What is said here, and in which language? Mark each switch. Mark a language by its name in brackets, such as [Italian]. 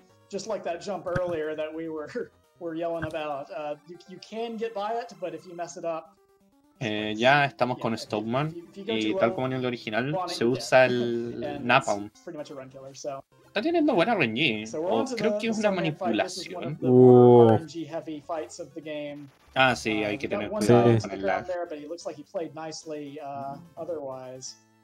[English] Just like that jump earlier that we were yelling about. You can get by it, but if you mess it up. [Spanish] Ya estamos con Stoneman y tal como en el original se usa el napalm. [English] Pretty much a run killer, so. [Spanish] Está teniendo buena reñir. So creo que es una manipulación. [English] Heavy fights of the game. [Spanish] Ah, sí, hay que tener cuidado con el lag. [English] There, but he looks like he played nicely otherwise.